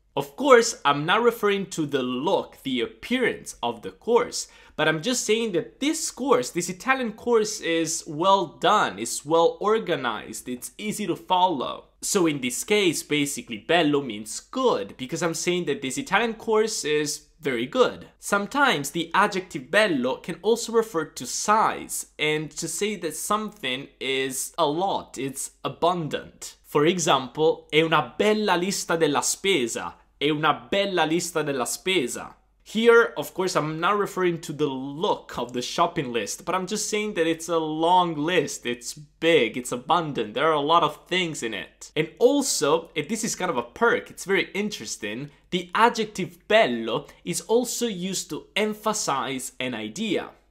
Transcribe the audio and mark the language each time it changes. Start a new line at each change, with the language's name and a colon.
English: Of course, I'm not referring to the look, the appearance of the course, but I'm just saying that this course, this Italian course, is well done, it's well organized, it's easy to follow. So in this case, basically, bello means good, because I'm saying that this Italian course is very good. Sometimes the adjective bello can also refer to size, and to say that something is a lot, it's abundant.
Italian: For example, è una bella lista della spesa. È una bella lista della spesa.
English: Here, of course, I'm not referring to the look of the shopping list, but I'm just saying that it's a long list, it's big, it's abundant, there are a lot of things in it. And also, if this is kind of a perk, it's very interesting, the adjective bello is also used to emphasize an idea.